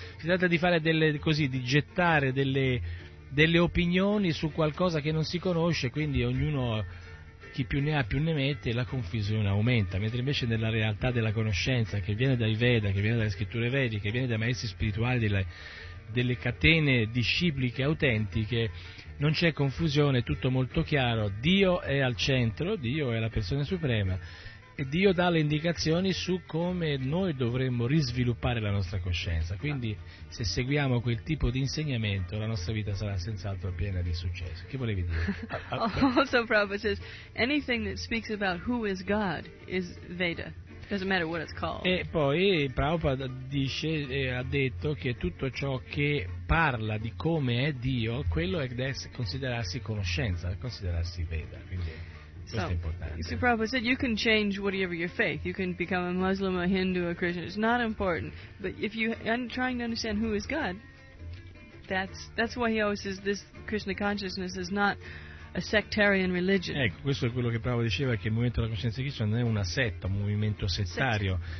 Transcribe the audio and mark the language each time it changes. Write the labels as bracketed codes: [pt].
[it] Si tratta di fare delle così, di gettare delle opinioni su qualcosa che non si conosce, quindi ognuno, chi più ne ha più ne mette, la confusione aumenta, mentre invece nella realtà della conoscenza che viene dai Veda, che viene dalle scritture vediche, che viene dai maestri spirituali, delle catene discipliche autentiche, non c'è confusione, è tutto molto chiaro. Dio è al centro, Dio è la persona suprema e Dio dà le indicazioni su come noi dovremmo risviluppare la nostra coscienza. Quindi se seguiamo quel tipo di insegnamento la nostra vita sarà senz'altro piena di successo. Che volevi dire? [en] Also Prabhupada says anything that speaks about who is God is Veda. Doesn't matter what it's called. [it] E poi Prabhupada dice ha detto che tutto ciò che parla di come è Dio, quello è considerarsi conoscenza, considerarsi Veda. Quindi [en] So Prabhupada said you can change whatever your faith. You can become a Muslim, a Hindu, a Christian. It's not important. But if you are trying to understand who is God, that's why he always says this Krishna consciousness is not a sectarian religion. [it] Ecco, questo è quello che Prabhupada diceva, che il movimento della coscienza di Cristo non è una setta, un movimento settario.